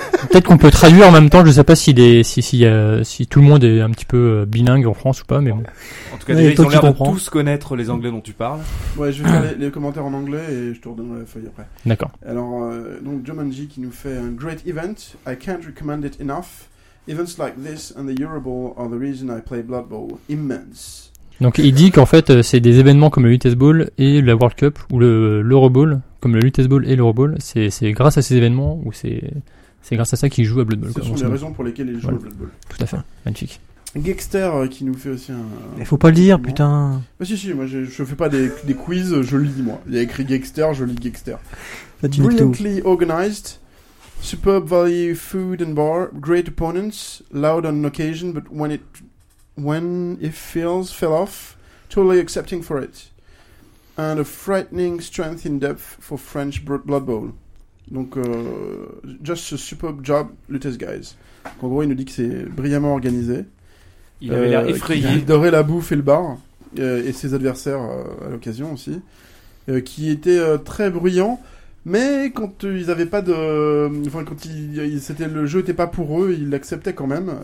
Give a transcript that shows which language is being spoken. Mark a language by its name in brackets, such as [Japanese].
[French] Peut-être qu'on peut traduire en même temps, je sais pas si tout le monde est un petit peu bilingue en France ou pas, mais bon. En tout cas, ouais, déjà, ils ont l'air de tous connaître les anglais dont tu parles. Ouais, je vais faire les commentaires en anglais et je te redonne la feuille après. D'accord. Alors, donc, Jumanji qui nous fait un [English] great event. I can't recommend it enough. Events like this and the Euro Bowl are the reason I play Blood Bowl. Immense. [French] Donc, il dit qu'en fait, c'est des événements comme le Lutèce Bowl et la World Cup ou l'Euro Bowl, comme le Lutèce Bowl et l'Euro Bowl. C'est grâce à ces événements où c'est grâce à ça qu'il joue à Blood Bowl. Ce sont les raisons pour lesquelles il joue à Blood Bowl. Tout à fait. Magnifique. Gexter qui nous fait aussi un. Mais faut pas le dire, putain. Bah si, moi je fais pas des quiz, je lis moi. Il y a écrit Gexter, je lis Gexter. [English] Brilliantly organized. Superb value food and bar. Great opponents. Loud on occasion, but when it feels, fell off. Totally accepting for it. And a frightening strength in depth for French Blood Bowl. Donc, just a superb job, Lutèce guys. [French] En gros, il nous dit que c'est brillamment organisé. Il avait l'air effrayé. Il adorait la bouffe et le bar, et ses adversaires à l'occasion aussi, qui étaient très bruyants, mais quand ils n'avaient pas de... Enfin, quand le jeu n'était pas pour eux, ils l'acceptaient quand même.